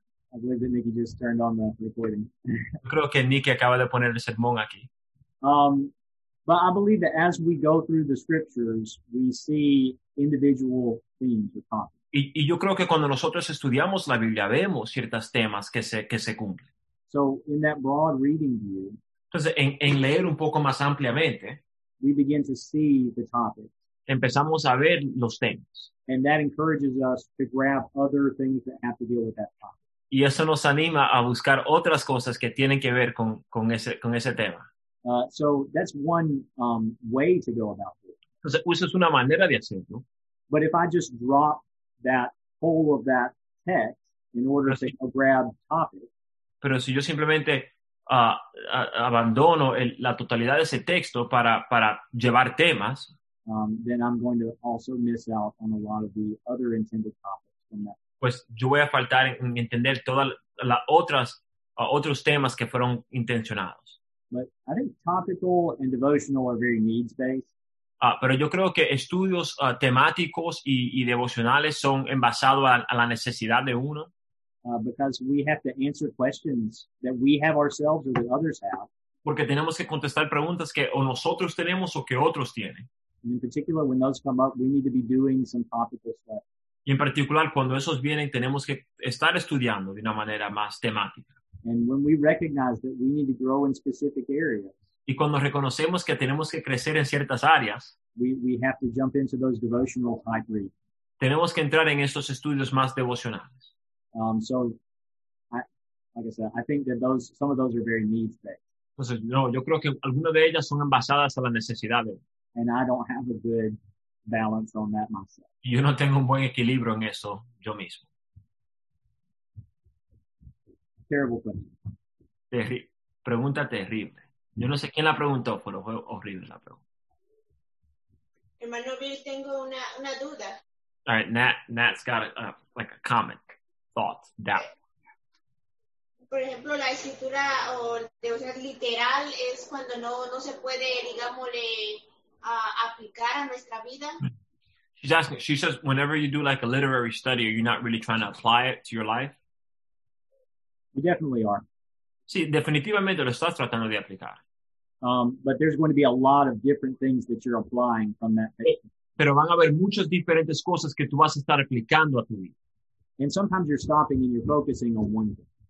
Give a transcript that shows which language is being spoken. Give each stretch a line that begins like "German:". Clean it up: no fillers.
English: I believe that Nikki just turned on the recording.
Spanish: Creo que Nikki acaba de poner el sermón aquí.
English: But I believe that as we go through the scriptures, we see individual themes or topics.
Spanish: Y yo creo que cuando nosotros estudiamos la Biblia vemos ciertos temas que se cumplen.
English: So in that broad reading view,
Spanish: entonces en leer un poco más ampliamente,
English: we begin to see the topics.
Spanish: Empezamos a ver los temas.
English: And that encourages us to grab other things that have to deal with that topic.
Spanish: Y eso nos anima a buscar otras cosas que tienen que ver con ese tema.
English: So that's one way to go about it.
Spanish: Entonces, eso es una manera de hacerlo.
English: But if I just drop that whole of that text in order to grab topic.
Spanish: Pero si yo simplemente abandono la totalidad de ese texto para llevar temas.
English: Then I'm going to also miss out on a lot of the other intended topics from that.
Spanish: Pues yo voy a faltar en entender todas las otras otros temas que fueron intencionados.
English: But I think topical and devotional are very needs-based.
Spanish: Pero yo creo que estudios temáticos y devocionales son basados a la necesidad de uno.
English: Because we have to answer questions that we have ourselves or that others have.
Spanish: Porque tenemos que contestar preguntas que o nosotros tenemos o que otros tienen.
English: And in particular, when those come up, we need to be doing some topical stuff.
Spanish: Y en particular, cuando esos vienen, tenemos que estar estudiando de una manera más temática.
English: And when we recognize that we need to grow in specific areas,
Spanish: y cuando reconocemos que tenemos que crecer en ciertas áreas,
English: we have to jump into those devotional type reading.
Spanish: Tenemos que entrar en estos estudios más devocionales.
English: So, like I said, I think that some of those are very needs-based.
Spanish: Entonces, no, yo creo que algunas de ellas son basadas a la necesidad.
English: And I don't have a good balance on that myself.
Spanish: Yo no tengo un buen equilibrio en eso yo mismo.
English: Terrible question.
Spanish: Pregunta terrible. Yo no sé quién la preguntó, pero fue horrible la pregunta. Hermano Bill, tengo una duda.
English: All right, Nat's got a comment, thought, doubt.
Spanish: Por ejemplo, la escritura o de usar literal es cuando no se puede, digámosle, aplicar a nuestra vida.
English: She's asking, she says, whenever you do like a literary study, are you not really trying to apply it to your life? We definitely are.
Spanish: Sí, definitivamente lo estás tratando de aplicar.
English: But there's going to be a lot of different things that you're applying from that faith.
Spanish: Pero van a haber muchas diferentes cosas que tú vas a estar aplicando a tu vida.
English: And sometimes you're stopping and you're focusing on one thing.